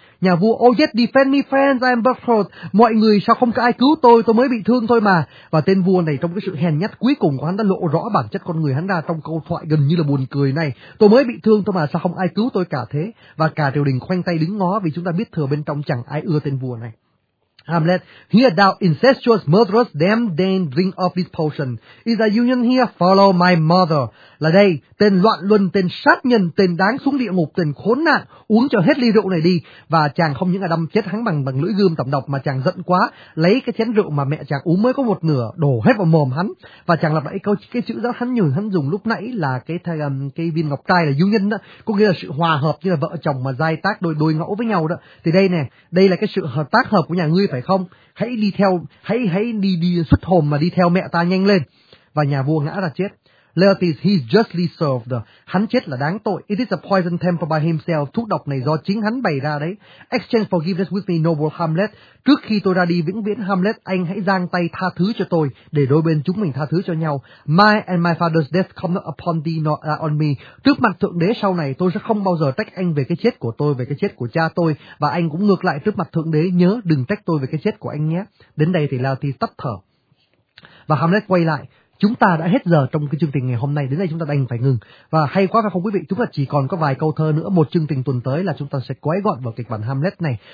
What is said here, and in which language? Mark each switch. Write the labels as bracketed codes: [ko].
[vi] Nhà vua: [en] "Oh yes, defend me, friends, I am but hurt." [vi] Mọi người, sao không có ai cứu tôi mới bị thương thôi mà. Và tên vua này trong cái sự hèn nhát cuối cùng của hắn đã lộ rõ bản chất con người hắn ra trong câu thoại gần như là buồn cười này: "Tôi mới bị thương thôi mà, sao không ai cứu tôi cả thế?" Và cả triều đình khoanh tay đứng ngó, vì chúng ta biết thừa bên trong chẳng ai ưa tên vua này. [en] Hamlet: "Here thou incestuous murderous damned dame, drink of this potion. Is thy union here? Follow my mother." [vi] Là đây, tên loạn luân, tên sát nhân, tên đáng xuống địa ngục, tên khốn nạn, uống cho hết ly rượu này đi. Và chàng không những là đâm chết hắn bằng lưỡi gươm tẩm độc, mà chàng giận quá, lấy cái chén rượu mà mẹ chàng uống mới có một nửa, đổ hết vào mồm hắn. Và chàng lặp lại cái chữ giáo hắn dùng lúc nãy là cái viên ngọc trai là union đó, có nghĩa là sự hòa hợp, như là vợ chồng mà giai tác đôi ngẫu với nhau đó. Thì đây nè, đây là cái sự hợp tác hợp của nhà ngươi phải không? Hãy đi xuất hồn mà đi theo mẹ ta nhanh lên. Và nhà vua ngã ra chết. [en] Laertes, he's justly served. [vi] Hắn chết là đáng tội. [en] It is a poison temper by himself. [vi] Thuốc độc này do chính hắn bày ra đấy. [en] Exchange forgiveness with me, noble Hamlet. [vi] Trước khi tôi ra đi vĩnh viễn, Hamlet, anh hãy giang tay tha thứ cho tôi, để đôi bên chúng mình tha thứ cho nhau. [en] My and my father's death come not upon thee nor on me. [vi] Trước mặt thượng đế sau này, tôi sẽ không bao giờ trách anh về cái chết của tôi, về cái chết của cha tôi. Và anh cũng ngược lại, trước mặt thượng đế, nhớ đừng trách tôi về cái chết của anh nhé. Đến đây thì Laertes tắt thở. Và Hamlet quay lại: chúng ta đã hết giờ trong cái chương trình ngày hôm nay, đến đây chúng ta đành phải ngừng. Và hay quá phải không quý vị, chúng ta chỉ còn có vài câu thơ nữa, một chương trình tuần tới là chúng ta sẽ quay gọn vào kịch bản Hamlet này.